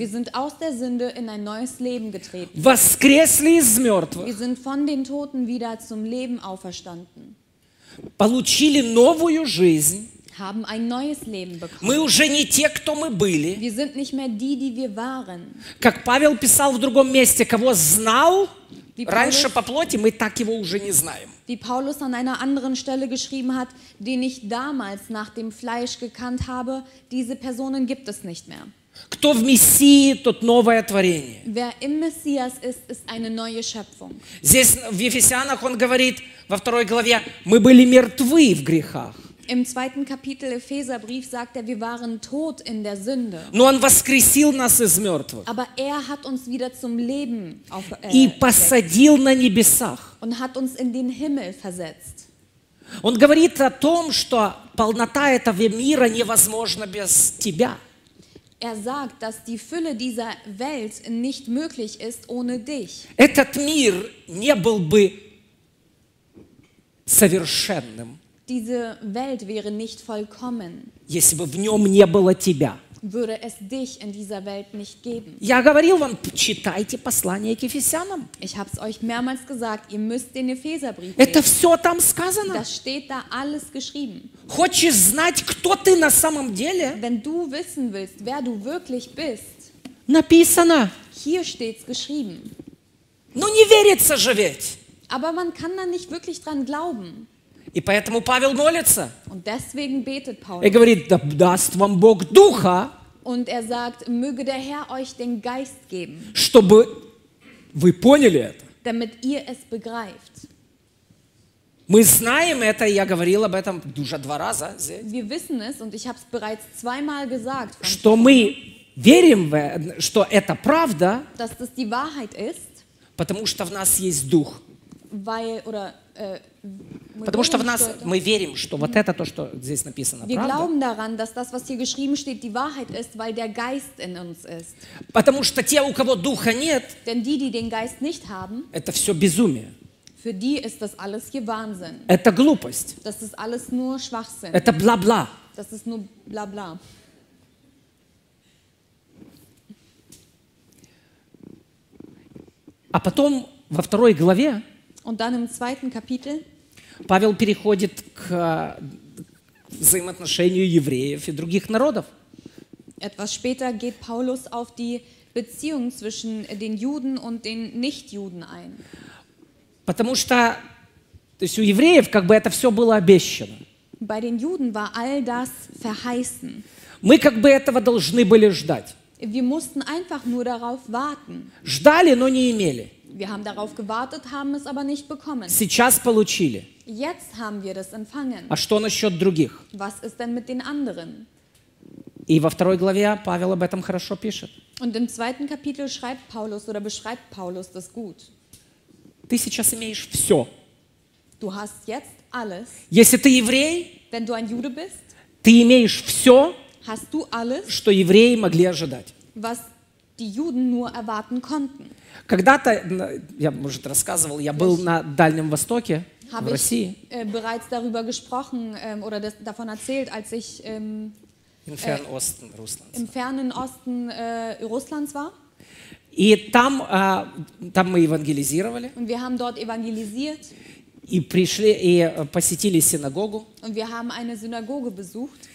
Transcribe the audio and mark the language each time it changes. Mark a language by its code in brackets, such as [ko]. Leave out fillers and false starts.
[de] Wir sind aus der Sünde in ein neues Leben getreten. [ru] Воскресли из мертвых. [de] Wir sind von den Toten wieder zum Leben auferstanden. [ru] Получили новую жизнь. [de] Haben ein neues Leben bekommen. [ru] Мы уже не те, кто мы были. [de] Wir sind nicht mehr die, die wir waren. [ru] Как Павел писал в другом месте, кого знал раньше по плоти, мы так его уже не знаем. [de] Wie Paulus an einer anderen Stelle geschrieben hat, den ich damals nach dem Fleisch gekannt habe, diese Personen gibt es nicht mehr. [ru] Кто в Мессии, тот новое творение. [de] Wer im Messias ist, ist eine neue Schöpfung. [ru] Здесь в Ефесянах он говорит, во второй главе, мы были мертвы в грехах. [de] Im zweiten Kapitel Epheserbrief sagt er, wir waren tot in der Sünde. [ru] Но он воскресил нас из мертвых. [de] Aber er hat uns wieder zum Leben auf, [ru] и посадил на небесах. [de] Und hat uns in den Himmel versetzt. [ru] Он говорит о том, что полнота этого мира невозможна без тебя. [de] Er sagt, dass die Fülle dieser Welt nicht möglich ist ohne dich. [ru] Этот мир не был бы совершенным. [de] Diese Welt wäre nicht vollkommen, [ru] если бы в нем не было тебя, [de] würde es dich in dieser Welt nicht geben. [ru] Я говорил вам, читайте послание к Ефесянам. [de] Ich habe es euch mehrmals gesagt, ihr müsst den Epheserbrief lesen. [ru] Это все там сказано. [de] Das steht da alles geschrieben. [ru] Хочешь знать, кто ты на самом деле? [de] Wenn du wissen willst, wer du wirklich bist. [ru] Написано. [de] Hier steht's geschrieben. [ru] Ну не верится же ведь. [de] Aber man kann da nicht wirklich dran glauben. [ru] И поэтому Павел молится. [de] Und deswegen betet Paulus. Er [ru] говорит, да даст вам Бог духа. [de] Und er sagt, möge der Herr euch den Geist geben. [ru] Чтобы вы поняли это. [de] Damit ihr es begreift. [ru] Мы знаем это, я говорил об этом уже два раза здесь. [de] Wir wissen es und ich habe es bereits zweimal gesagt. [ru] Что мы верим, что это правда. [de] Dass das die Wahrheit ist. [ru] Потому что в нас есть дух. [de] Weil oder [ru] потому что в нас мы верим, что вот это то, что здесь написано, [de] wir glauben daran, dass das, was hier geschrieben steht, die Wahrheit ist, weil der Geist in uns ist. [ru] Потому что те, у кого духа нет, [de] denn die, die den Geist nicht haben, [ru] это все безумие. [de] Für die ist das alles hier Wahnsinn. [ru] Это глупость. [de] Das ist alles nur Schwachsinn. [ru] Это бла-бла. [de] Das ist nur бла-бла. [ru] А потом во второй главе. [de] Und dann im zweiten Kapitel. [ru] Павел переходит к взаимоотношению евреев и других народов. [de] Etwas später geht Paulus auf die Beziehung zwischen den Juden und den Nichtjuden ein. [ru] Потому что, то есть у евреев как бы это все было обещано. [de] Bei den Juden war all das verheißen. [ru] Мы как бы этого должны были ждать. [de] Wir mussten einfach nur darauf warten. [ru] Ждали, но не имели. [de] Wir haben darauf gewartet, haben es aber nicht bekommen. [ru] Сейчас получили. [de] Jetzt haben wir das empfangen. [ru] А что насчет других? [de] Was ist denn mit den anderen? [ru] И во второй главе Павел об этом хорошо пишет. [de] Und im zweiten Kapitel schreibt Paulus oder beschreibt Paulus das gut. [ru] Ты сейчас имеешь все. [de] Du hast jetzt alles. [ru] Если ты еврей, [de] wenn du ein Jude bist, [ru] ты имеешь все, [de] hast du alles, [ru] что евреи могли ожидать. [de] Was die Juden nur erwarten konnten. [ru] Когда-то, я, может, рассказывал, я был на Дальнем Востоке, в России. [de] Bereits darüber gesprochen oder das, davon erzählt, als ich im fernen Osten Russlands war. [ru] И там, там мы евангелизировали. [de] Und wir haben dort evangelisiert. [ru] И пришли, и посетили синагогу. [de] Und wir haben eine Synagoge besucht.